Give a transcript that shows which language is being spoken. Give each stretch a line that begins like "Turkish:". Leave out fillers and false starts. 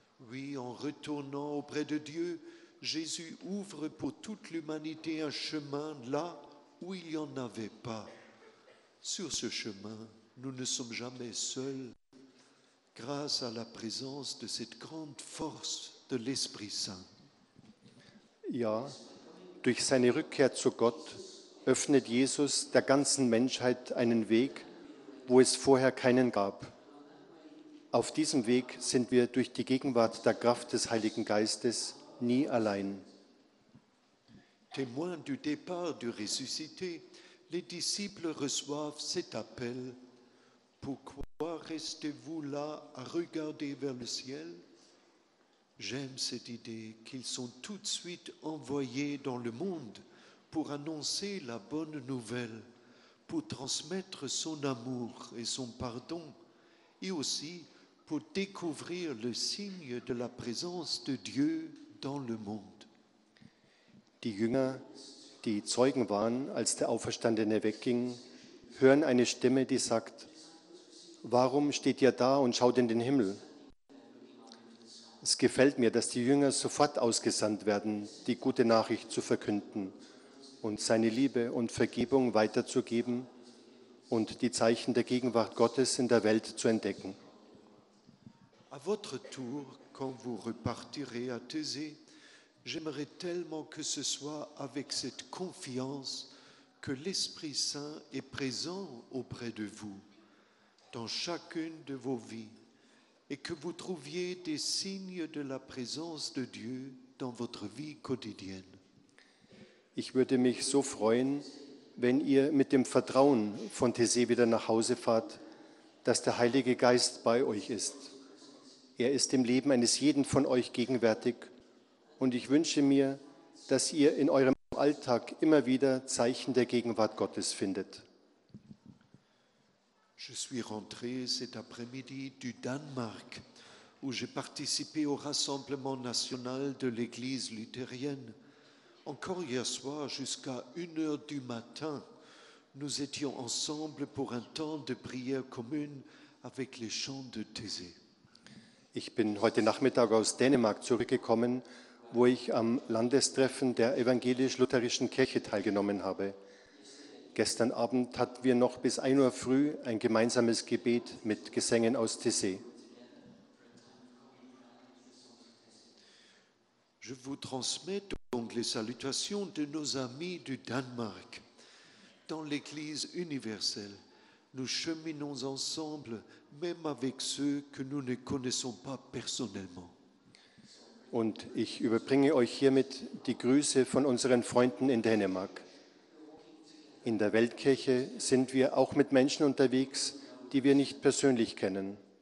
French: Oui, en retournant auprès de Dieu, Jésus ouvre pour toute l'humanité un chemin là où il n'y en avait pas. Sur ce chemin, nous ne sommes jamais seuls, grâce à la présence de cette grande force de l'Esprit Saint.
German: Ja, durch seine Rückkehr zu Gott öffnet Jesus der ganzen Menschheit einen Weg, wo es vorher keinen gab. Auf diesem Weg sind wir durch die Gegenwart der Kraft des Heiligen Geistes nie allein.
French: Témoin du départ du ressuscité, les disciples reçoivent cet appel. Pourquoi restez-vous là à regarder vers le ciel? J'aime cette idée qu'ils sont tout de suite envoyés dans le monde pour annoncer la bonne nouvelle, pour transmettre son amour et son pardon, et aussi pour découvrir le signe de la présence de Dieu dans le monde.
German: Die Jünger, die Zeugen waren, als der Auferstandene wegging, hören eine Stimme, die sagt: Warum steht ihr da und schaut in den Himmel? Es gefällt mir, dass die Jünger sofort ausgesandt werden, die gute Nachricht zu verkünden und seine Liebe und Vergebung weiterzugeben und die Zeichen der Gegenwart Gottes in der Welt zu entdecken.
French: À votre tour, quand vous repartirez à Thésée, j'aimerais tellement que ce soit avec cette confiance que l'Esprit Saint est présent auprès de vous dans chacune de vos vies, et que vous trouviez des signes de la présence de Dieu dans votre vie quotidienne.
German: Ich würde mich so freuen, wenn ihr mit dem Vertrauen von Thésée wieder nach Hause fahrt, dass der Heilige Geist bei euch ist. Er ist im Leben eines jeden von euch gegenwärtig, und ich wünsche mir, dass ihr in eurem Alltag immer wieder Zeichen der Gegenwart Gottes findet.
French: Je suis rentré cet après-midi du Danemark, où j'ai participé au Rassemblement national de l'Église luthérienne. Encore hier soir, jusqu'à 1h du matin, nous étions ensemble pour un temps de prière commune avec les chants de Thésée.
German: Ich bin heute Nachmittag aus Dänemark zurückgekommen, wo ich am Landestreffen der evangelisch-lutherischen Kirche teilgenommen habe. Gestern Abend hatten wir noch bis 1 Uhr früh ein gemeinsames Gebet mit Gesängen aus Thésée.
French: Je vous transmette donc les salutations de nos amis du Danemark. Dans l'Église universelle, nous cheminons ensemble, même avec ceux que nous ne connaissons pas personnellement.
German: Und ich überbringe euch hiermit die Grüße von unseren Freunden in Dänemark. In der Weltkirche sind wir auch mit Menschen unterwegs, die wir nicht persönlich kennen.